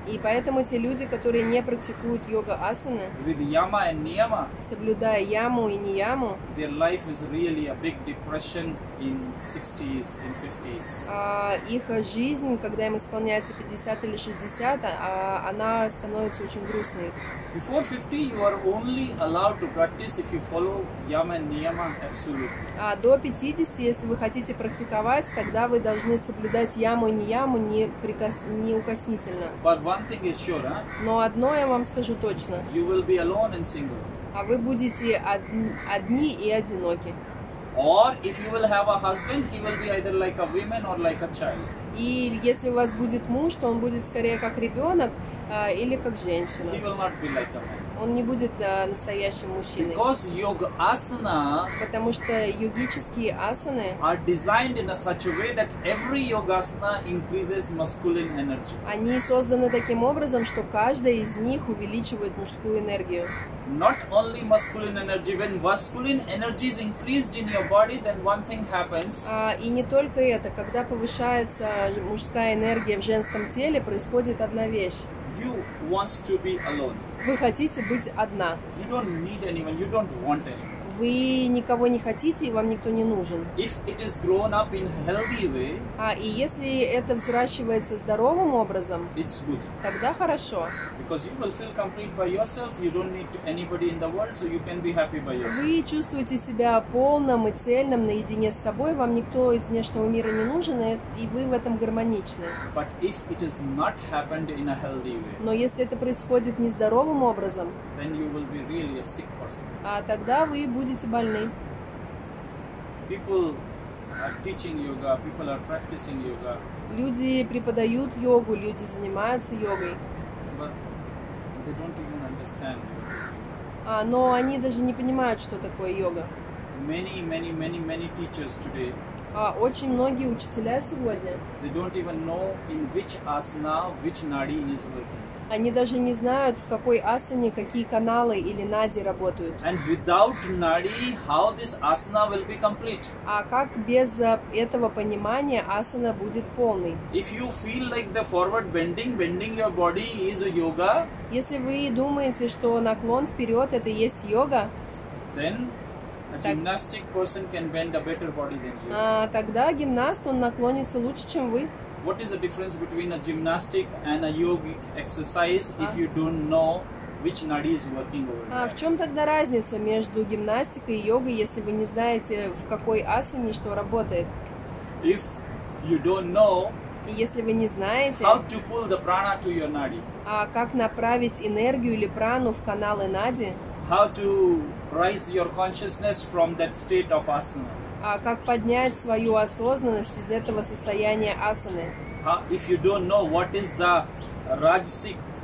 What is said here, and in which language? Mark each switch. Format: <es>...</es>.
<ru>И поэтому те люди, которые не практикуют йога асаны,</ru> <en>with yama and niyama,</en> <ru>соблюдая яму и нияму,</ru> <en>their life is really a big depression in 60s, in 50s.</en> <ru>Их жизнь, когда им исполняется 50 или 60, она становится очень грустной.</ru> <en>Before 50, you are only allowed to practice if you follow yama and niyama absolutely.</en> <ru>До 50, если вы хотите практиковать, тогда вы должны соблюдать яму и нияму неукоснительно.</ru> <en>But one thing is sure, huh?</en> <ru>Но одно я вам скажу точно.</ru> <en>You will be alone and single.</en> <ru>Вы будете одни и одиноки.</ru> <en>Or if you will have a husband, he will be either like a woman or like a child.</en> <ru>И если у вас будет муж, то он будет скорее как ребенок или как женщина.</ru> <en>He will not be like a man.</en> <ru>Он не будет настоящим мужчиной.</ru> <en>Because yoga asana,</en> <ru>потому что йогические асаны</ru> <en>are designed in a such a way that every yogasana increases masculine energy.</en> <ru>Они созданы таким образом, что каждая из них увеличивает мужскую энергию.</ru> <en>Not only masculine energy, when masculine energy is increased in your body, then one thing happens.</en> <ru>И не только это, когда повышается мужская энергия в женском теле, происходит одна вещь.</ru> <en>You want to be alone.</en> <ru>Вы хотите быть одна.</ru> <en>You don't need anyone. You don't want anyone.</en> <ru>Вы никого не хотите, и вам никто не нужен.</ru> <en>If it is grown up in healthy way,</en> <ru>и если это взращивается здоровым образом,</ru> <en>it's good.</en> <ru>Тогда хорошо.</ru> <en>Because you will feel complete by yourself, you don't need anybody in the world, so you can be happy by yourself.</en> <ru>Вы чувствуете себя полным и цельным наедине с собой, вам никто из внешнего мира не нужен, и вы в этом гармоничны.</ru> <en>But if it has not happened in a healthy way,</en> <ru>но если это происходит нездоровым образом,</ru> <en>then you will be really a sick person.</en> <ru>Тогда вы будете больны.</ru> <en>People are teaching yoga, people are practicing yoga.</en> <ru>Люди преподают йогу, люди занимаются йогой.</ru> <en>But they don't even understand what is yoga.</en> <ru>Но они даже не понимают, что такое йога.</ru> <en>Many teachers today.</en> <ru>Очень многие учителя сегодня.</ru> <en>They don't even know in which asana, which nadi is working.</en> <ru>Они даже не знают, в какой асане какие каналы или нади работают.</ru> <en>And without nadi, how this asana will be complete?</en> <ru>Как без этого понимания асана будет полной?</ru> <en>If you feel like the forward bending your body is a yoga.</en> <ru>Если вы думаете, что наклон вперед это и есть йога,</ru> <en>then a gymnastic person can bend a better body than you.</en> <ru>Тогда гимнаст он наклонится лучше, чем вы.</ru> <en>What is the difference between a gymnastic and a yogic exercise if you don't know which nadi is working over there?</en> <ru>В чем тогда разница между гимнастикой и йогой, если вы не знаете, в какой асане что работает?</ru> <en>If you don't know,</en> <ru>если вы не знаете,</ru> <en>how to pull the prana to your nadi?</en> <ru>Как направить энергию или прану в каналы нади?</ru> <en>How to raise your consciousness from that state of asana?</en> <ru>Как поднять свою осознанность из этого состояния асаны?</ru> <en>If you don't know what is the rajasic</en>